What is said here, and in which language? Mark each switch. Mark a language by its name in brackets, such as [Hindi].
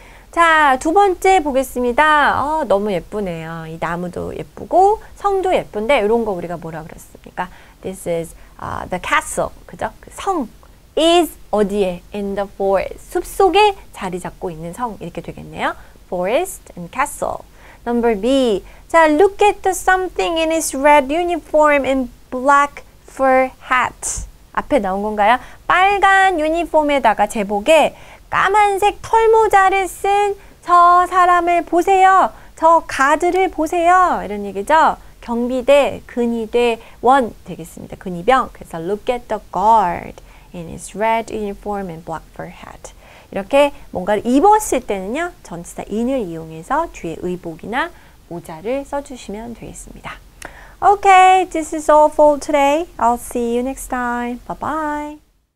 [Korean] 자, 두 번째 보겠습니다. 너무 예쁘네요. 이 나무도 예쁘고 성도 예쁜데 이런 거 우리가 뭐라 그랬습니까? [English] This is the castle. [Korean] 그죠? 그 성 [English] is [Korean] 어디에? [English] In the forest. [Korean] 숲 속에 자리 잡고 있는 성 이렇게 되겠네요. [English] Forest and castle. Number B. 자, look at the something in his red uniform and black fur hat. [Korean] 앞에 나온 건가요? 빨간 유니폼에다가 제복에 까만색 털모자를 쓴 저 사람을 보세요. 저 가드를 보세요. 이런 얘기죠. 경비대, 근위대 원 되겠습니다. 근위병. [English] 그래서 look at the guard in his red uniform and black fur hat. [Korean] 이렇게 뭔가를 입었을 때는요. 전치사 in을 이용해서 뒤에 의복이나 모자를 써주시면 되겠습니다. [English] Okay, this is all for today. I'll see you next time. Bye-bye.